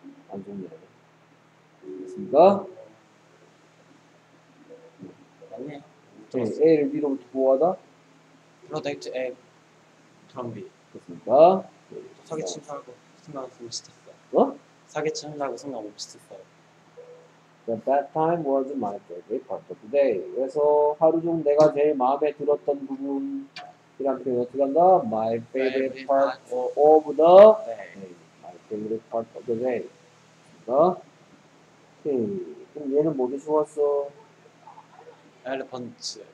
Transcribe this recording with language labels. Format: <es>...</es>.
<ko>안 좋네. 됐습니까? 아니. 네. A를 B로부터 보호하다?</ko> <en>Protect A from B.</en> <ko>됐습니까? 사기친 사고 생각하고 비슷했어. 어? 사기친 사고 생각하고 비슷했어.</ko> <en>The bad time was my favorite part of the day.</en> <ko>그래서 하루 중 내가 제일 마음에 들었던 부분이란 표현 어떻게 한다?</ko> <en>My favorite part of the day. My favorite part of the day.</en> <ko>그러니까? 오케이. 그럼 얘는 뭐 주워왔어?</ko> <en>Elephant.</en>